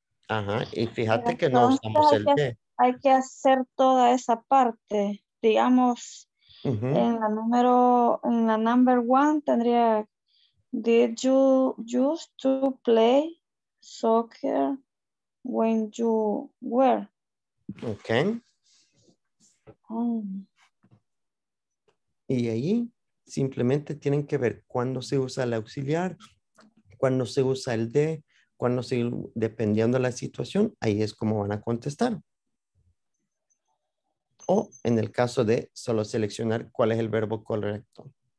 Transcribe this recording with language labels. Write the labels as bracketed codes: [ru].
[es] Ajá, y fíjate que no usamos el D. Hay que hacer toda esa parte, digamos, uh-huh. en la [en] number one [es] tendría, [en] did you used to play soccer when you were? Okay. [es] Y ahí simplemente tienen que ver cuándo se usa el auxiliar, cuándo se usa el de, cuándo se, dependiendo de la situación, ahí es como van a contestar. O en el caso de solo seleccionar cuál es el verbo correcto.